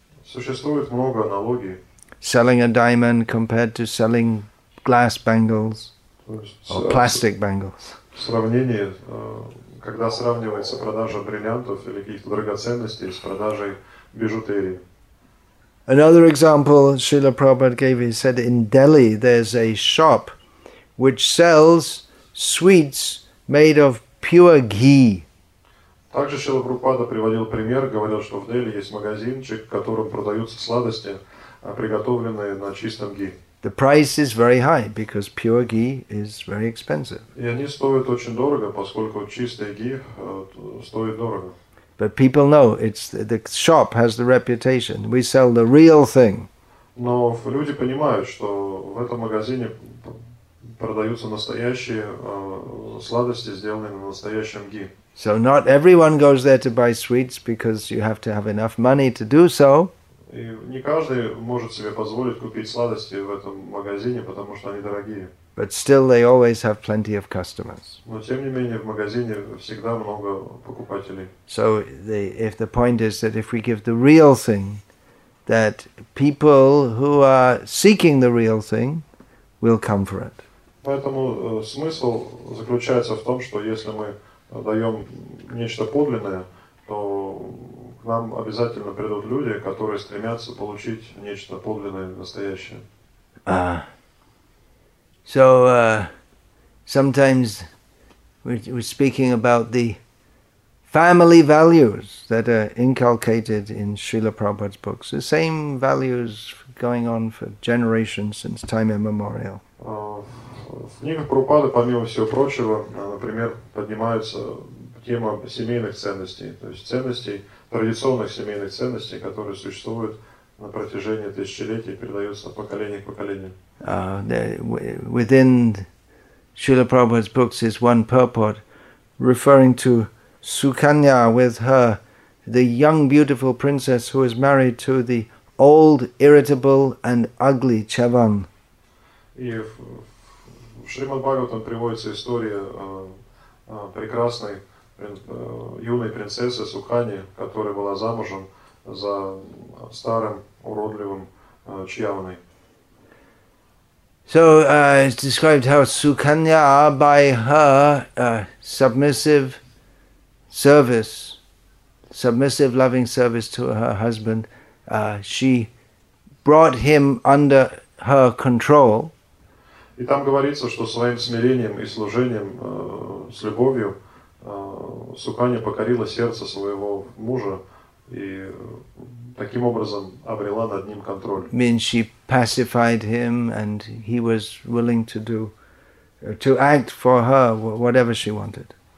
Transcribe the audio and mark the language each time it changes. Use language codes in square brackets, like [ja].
[ru] Существует много аналогий. [en] Selling a diamond compared to selling glass bangles or plastic bangles. [ru] В сравнении, когда сравнивается продажа бриллиантов или каких-то драгоценностей с продажей бижутерии. [en] Another example Srila Prabhupada gave, he said in Delhi there's a shop which sells sweets made of pure ghee. [ru] Также Шрила Прабхупада приводил пример, говорил, что в Дели есть магазинчик, в котором продаются сладости, приготовленные на чистом ghee. [en] The price is very high because pure ghee is very expensive. [ru] И они стоят очень дорого, поскольку чистый ghee стоит дорого. [en] But people know it's the shop has the reputation. We sell the real thing. [ru] Но люди понимают, что в этом магазине продаются настоящие сладости, сделанные на настоящем ги. [en] So not everyone goes there to buy sweets because you have to have enough money to do so. [ru] И не каждый может себе позволить купить сладости в этом магазине, потому что они дорогие. [en] But still, they always have plenty of customers. [ru] Но тем не менее в магазине всегда много покупателей. [en] So if the point is that if we give the real thing, that people who are seeking the real thing will come for it. [ru] Поэтому смысл заключается в том, что если мы даем нечто подлинное, то к нам обязательно придут люди, которые стремятся получить нечто подлинное, настоящее. [en] So sometimes we're speaking about the family values that are inculcated in Srila Prabhupada's books. The same values going on for generations since time immemorial. [ru] В книгах Прабхупады, помимо всего прочего, например, поднимаются тема семейных ценностей, то есть ценностей, традиционных семейных ценностей, которые существуют на протяжении тысячелетий, передаются поколение к поколению. [en] Within Srila Prabhupada's books is one purport referring to Sukanya with her, the young beautiful princess who is married to the old, irritable and ugly Chavan. [ru] И в Шримад Бхагаватам приводится история прекрасной юной принцессы Сукани, которая была замужем за старым, уродливым Чьяваной. [en] So it's described how Sukanya, by her submissive service, submissive loving service to her husband, she brought him under her control. [ru] И там говорится, что своим смирением и служением с любовью Сукани покорила сердце своего мужа и таким образом обрела над ним контроль. [en] Means she pacified him, and he was willing to do, to act for her, whatever she wanted.